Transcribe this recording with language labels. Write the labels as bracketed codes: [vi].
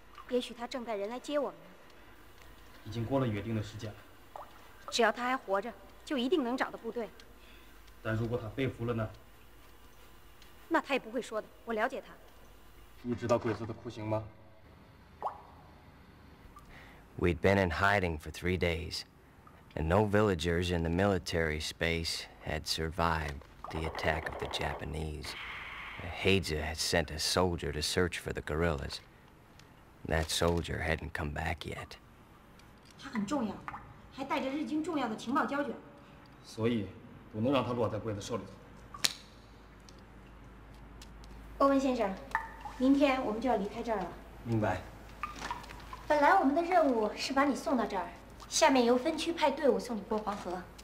[zh] 也许他正带人来接我们呢。已经过了约定的时间了。只要他还活着，就一定能找到部队。但如果他被俘了呢？那他也不会说的，我了解他。你知道鬼子的酷刑吗 [en] ？We'd been in hiding for 3 days, and no villagers in the military space had survived the attack of the Japanese. Heidze had sent a soldier to search for the guerrillas. That soldier hadn't come back yet. [zh] 他很重要，还带着日军重要的情报胶卷。所以，不能让他落在鬼子手里头。欧文先生，明天我们就要离开这儿了。明白。本来我们的任务是把你送到这儿，下面由分区派队伍送你过黄河。